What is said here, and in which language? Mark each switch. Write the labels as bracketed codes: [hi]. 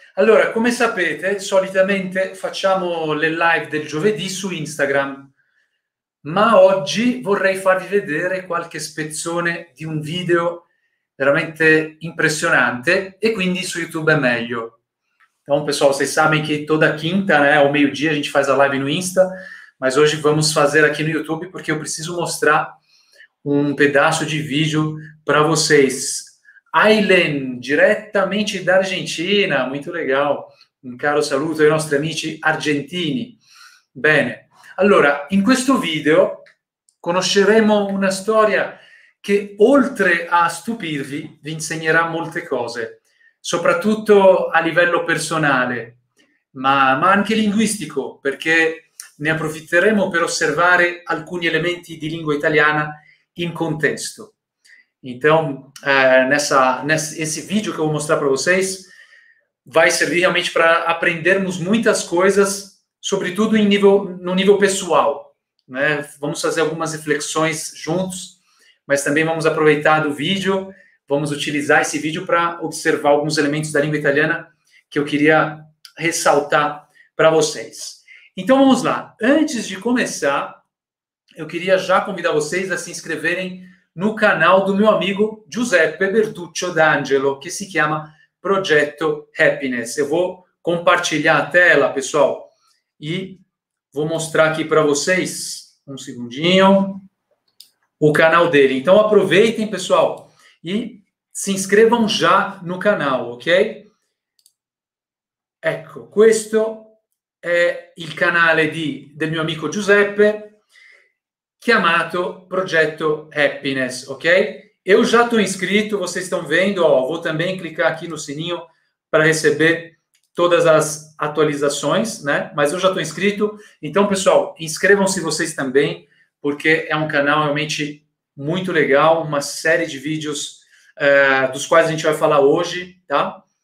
[it] Allora, come sapete, solitamente facciamo le live del giovedì su Instagram, ma oggi vorrei farvi vedere qualche spezzone di un video veramente impressionante e quindi su YouTube è meglio. [pt] Então, pessoal, vocês sabem que toda quinta, né, ao meio-dia a gente faz a live no Insta, mas hoje vamos fazer aqui no YouTube porque eu preciso mostrar um pedaço de vídeo para vocês. [it] Ailen, direttamente dall'Argentina, molto legal. Un caro saluto ai nostri amici argentini. Bene, allora, in questo video conosceremo una storia che oltre a stupirvi, vi insegnerà molte cose, soprattutto a livello personale, ma anche linguistico, perché ne approfitteremo per osservare alcuni elementi di lingua italiana in contesto. [pt] Então, nesse vídeo que eu vou mostrar para vocês, vai servir realmente para aprendermos muitas coisas, sobretudo em nível, no nível pessoal, né? Vamos fazer algumas reflexões juntos, mas também vamos aproveitar do vídeo, vamos utilizar esse vídeo para observar alguns elementos da língua italiana que eu queria ressaltar para vocês. Então, vamos lá. Antes de começar, eu queria já convidar vocês a se inscreverem no canal do meu amigo Giuseppe Bertuccio D'Angelo, [it] che si chiama Progetto Happiness. [pt] Eu vou compartilhar a tela, pessoal, e vou mostrar aqui para vocês, um segundinho, o canal dele. Então aproveitem, pessoal, e se inscrevam já no canal, ok? [it] Ecco, questo è il canale del mio amico Giuseppe, chiamato Progetto Happiness, ok? [pt] Eu já estou inscrito, vocês estão vendo, ó, vou também clicar aqui no sininho para receber todas as atualizações, né? Mas eu já estou inscrito, então, pessoal, inscrevam-se vocês também, porque é um canal realmente muito legal, uma série de vídeos dos quais a gente vai falar hoje, tá?